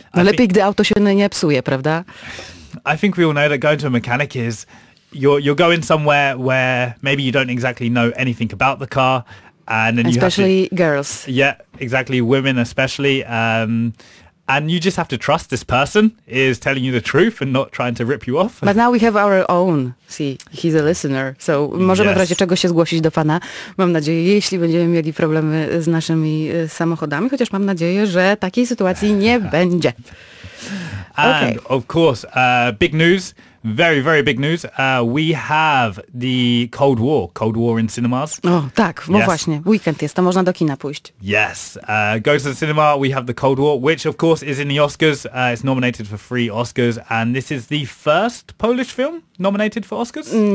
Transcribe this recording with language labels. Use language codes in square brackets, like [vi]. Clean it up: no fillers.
[pl] No lepiej, gdy auto się nie psuje, prawda? [en] I think we all know that going to a mechanic is, you're going somewhere where maybe you don't exactly know anything about the car, and then especially you have to... Especially girls. Yeah, exactly, women especially. And you just have to trust this person is telling you the truth and not trying to rip you off. But now we have our own. See, he's a listener. [pl] So możemy w razie czego się zgłosić do pana. Mam nadzieję, jeśli będziemy mieli problemy z naszymi samochodami, chociaż mam nadzieję, że takiej sytuacji nie będzie. [en] And of course, big news, very, very big news. We have the Cold War in cinemas. [pl] Oh, tak, no właśnie, weekend jest, to można do kina pójść. [en] Yes, go to the cinema, we have the Cold War, which of course is in the Oscars. It's nominated for 3 Oscars, and this is the first Polish film nominated for Oscars?